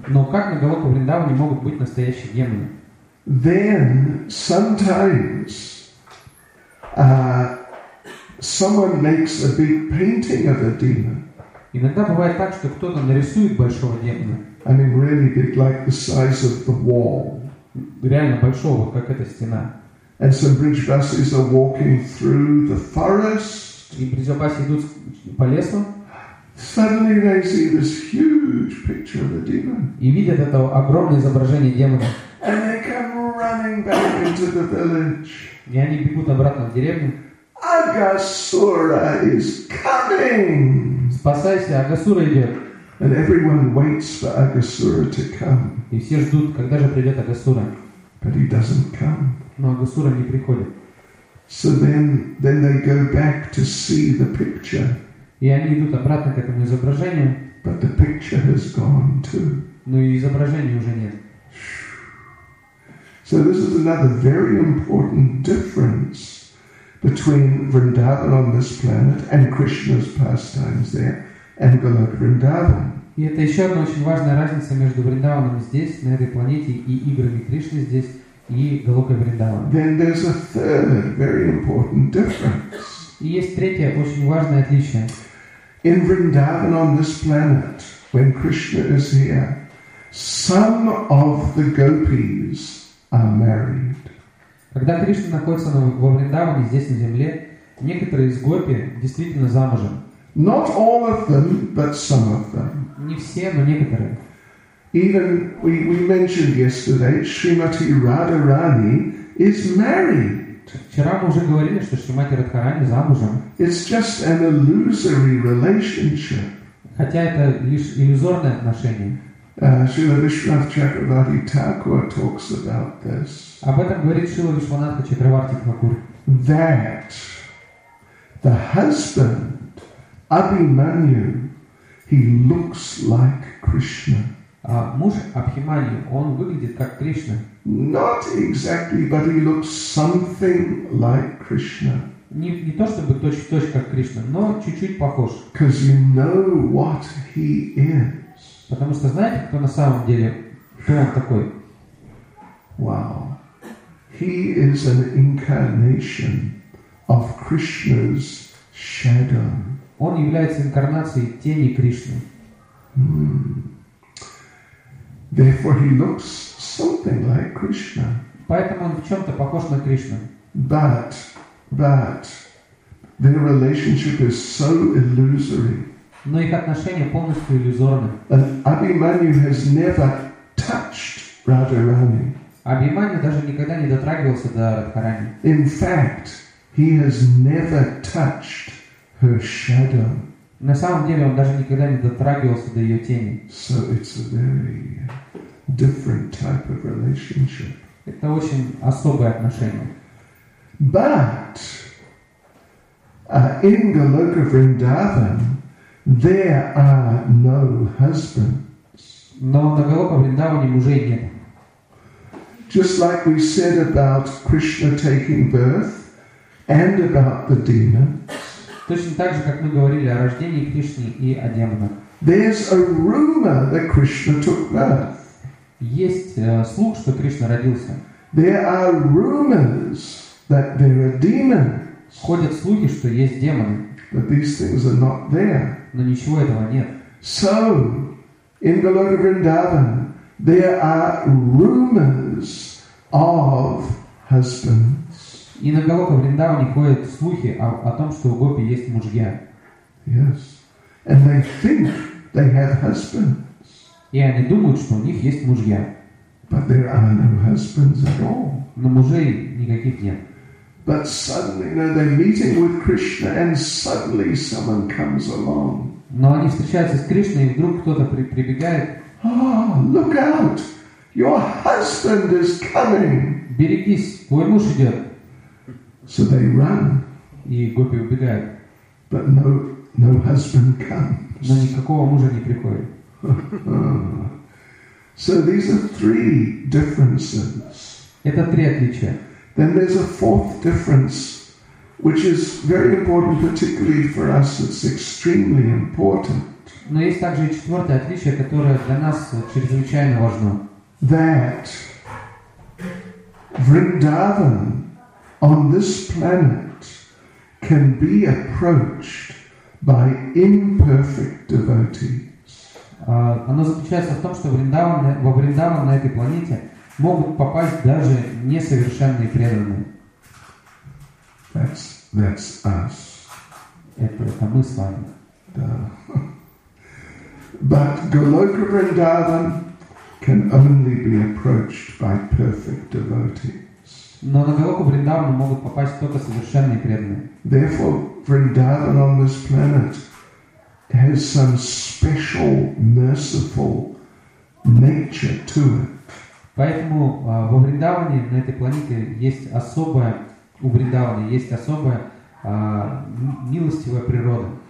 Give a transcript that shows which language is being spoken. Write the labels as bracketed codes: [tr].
[ru] Но как на Голока Вриндаване могут быть настоящие демоны? [en] Then sometimes someone makes a big painting of a demon. [ru] Иногда бывает так, что кто-то нарисует большого демона. [en] I mean, really big, like the size of the wall. [ru] Реально большого, как эта стена. [en] And some bridge buses are walking through the forest. [ru] И [en] bridge buses [ru] идут по лесу. [en] Suddenly they see this huge picture of the demon. [ru] И видят это огромное изображение демона. [en] And they come running back into the village. [ru] И они бегут обратно в деревню. [en] Агасура is coming. [ru] Спасайся, Агасура идет. [en] And everyone waits for Agasura to come. [ru] И все ждут, когда же придет Агасура. [en] But he doesn't come. [ru] Но Агасура не приходит. [en] So then they go back to see the picture. [ru] И они идут обратно к этому изображению. [en] But the picture has gone too. [ru] Но и изображения уже нет. [en] So this is another very important difference between Vrindavan on this planet and Krishna's pastimes there. And Goloka Vrindavan. [ru] И это еще одна очень важная разница между Вриндаваном здесь, на этой планете, и играми Кришны здесь, и Голокой Вриндаваном. [en] Then there's a third very important difference. [ru] И есть третье очень важное отличие. [en] In Vrindavan on this planet, when Krishna is here, some of the gopis are married. [ru] Когда Кришна находится во Вриндаване здесь на земле, некоторые из гопи действительно замужем. [en] Not all of them, but some of them. [ru] Не все, но некоторые. [en] Even we mentioned yesterday, Shrimati Radharani is married. [ru] Вчера мы уже говорили, что Шримати Радхарани замужем. [en] It's just an illusory relationship. [ru] Хотя это лишь иллюзорное отношение. [en] Srila Vishwanatha Chakravarti Thakur talks about this. [ru] Об этом говорит Шрила Вишванатха Чакраварти Тхакур. [en] That the husband Abhimanyu, he looks like Krishna. [ru] А муж Абхиманию, он выглядит как Кришна. [en] Not exactly, but he looks something like Krishna. [ru] Не то чтобы точь-в-точь как Кришна, но чуть-чуть похож. [en] Because you know what he is. [ru] Потому что знаете, кто на самом деле, кто он такой? [en] Wow. He is an incarnation of Krishna's shadow. [ru] Он является инкарнацией тени Кришны. [en] Therefore he looks something like Krishna. [ru] Поэтому он в чем-то похож на Кришну. [en] But Their relationship is so illusory. [ru] Но их отношения полностью иллюзорны. [en] And Abhimanyu has never touched Radharani. [ru] Абхиманью даже никогда не дотрагивался до Радхарани. [en] In fact, he has never touched her shadow. [ru] На самом деле он даже никогда не дотрагивался до ее тени. [en] So it's a very different type of relationship. [ru] Это очень особое отношение. [en] But in Goloka Vrindavan there are no husbands. [ru] Но на Голока Вриндаване мужей нет. [en] Just like we said about Krishna taking birth and about the demons. [ru] Точно так же, как мы говорили о рождении Кришны и о демонах. [en] There's a rumor that Krishna took birth. [ru] Есть слух, что Кришна родился. [en] There are rumors that there are demons. [ru] Ходят слухи, что есть демоны. [en] But these things are not there. [ru] Но ничего этого нет. [en] So, in Goloka Vrindavan, there are rumors of husbands. [ru] И на Голоке Вриндаване ходят слухи о том, что у гопи есть мужья. [en] Yes. And they think they have husbands. [ru] И они думают, что у них есть мужья. [en] But there are no husbands at all. [ru] Но мужей никаких нет. [en] But suddenly, you know, they're meeting with Krishna, and suddenly someone comes along. [ru] Но они встречаются с Кришной, и вдруг кто-то прибегает. [en] Oh, look out! Your husband is coming. [ru] Берегись, твой муж идет. [en] So they run. [ru] И гопи убегают. [en] But no husband comes. [ru] Но никакого мужа не приходит. [en] So these are three differences. [ru] Это три отличия. [en] Then there's a fourth difference, which is very important, particularly for us. It's extremely important. [ru] Но есть также и четвертое отличие, которое для нас чрезвычайно важно. [en] That Vrindavan on this planet can be approached by imperfect devotees. [ru] Оно заключается в том, что Вриндаван на этой планете могут попасть даже несовершенные преданные. [en] That's us. [ru] Это мы с вами. Да. [en] But Goloka Vrindavan can only be approached by perfect devotees. [ru] Но на Голоку Вриндавану могут попасть только совершенные преданные. [en] Therefore, Vrindavan on this planet has some special merciful nature to it. [ru] Поэтому во Вриндаване на этой планете есть особая, у Вриндавана есть особая милостивая природа.